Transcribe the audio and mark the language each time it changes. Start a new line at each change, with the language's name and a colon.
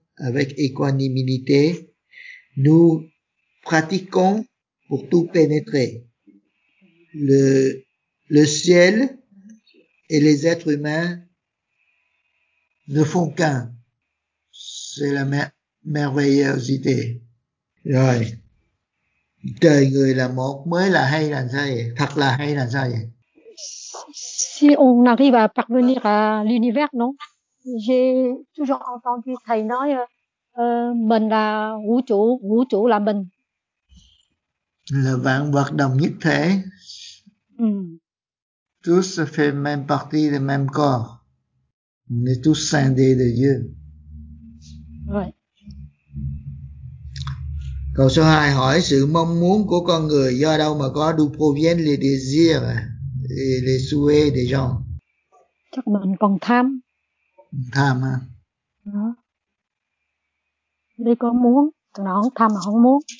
French: avec équanimité, nous pratiquons pour tout pénétrer. Le ciel et les êtres humains ne font qu'un. C'est la merveilleuse idée. Oui.
Vietnamese: Đời người là một, mới là hay là sao vậy? Thật là hay là sao vậy?
French: Si on arrive à parvenir à l'univers, non? J'ai toujours entendu
Vietnamese: thầy nói mình là vũ trụ là mình. Là vạn vật đồng nhất thể.
French: Tous fait même partie du même corps. On est tous scindés de Dieu. Ouais.
Vietnamese: Câu số 2 hỏi sự mong muốn của con người do đâu mà có,
French: d'où proviennent les désirs et les souhaits des gens?
Vietnamese: Chắc mình còn tham. Tham hả? Đó. Đi con muốn, nó không tham mà không muốn.